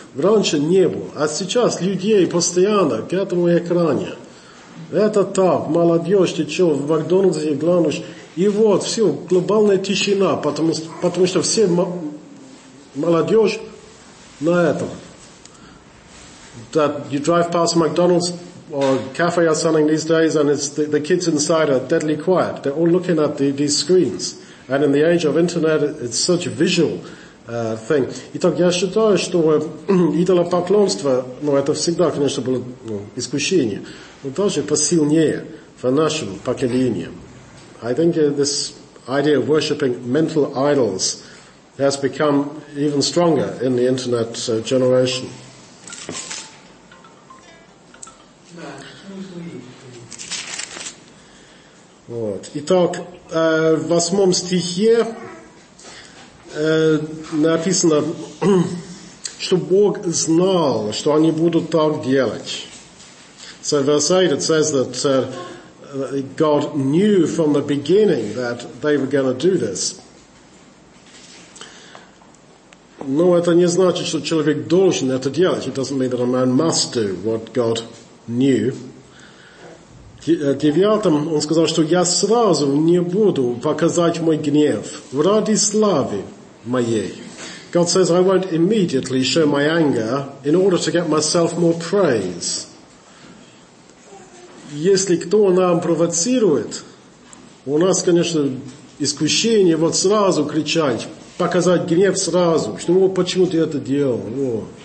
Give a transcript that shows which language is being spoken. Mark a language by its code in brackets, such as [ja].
[ru] Раньше не было, а сейчас людей постоянно к этому экране. Это так, молодежь, ты что, в Макдональдсе глянешь, и вот, все, глобальная тишина, потому что все молодежь на этом. [en] That you drive past McDonald's or cafe or something these days and it's the kids inside are deadly quiet. They're all looking at these screens. And in the age of internet, it's such a visual thing. [ru] Итак, я считаю, что идолопоклонство, ну, это всегда, конечно, было искушение, но даже посильнее в нашем поколении. [en] I think this idea of worshipping mental idols has become even stronger in the internet generation. [ru] Вот. Итак, в 8 стихе написано, что Бог знал, что они будут так делать. [en] So verse 8, it says that God knew from the beginning that they were going to do this. [ru] Но это не значит, что человек должен это делать. [en] It doesn't mean that a man must do what God knew. [ru] Девятым он сказал, что я сразу не буду показать мой гнев ради славы моей. [en] God says, I won't immediately show my anger in order to get myself more praise. [ru] Если кто нам провоцирует, у нас, конечно, искушение вот сразу кричать, показать гнев сразу, что о, почему ты это делал. О.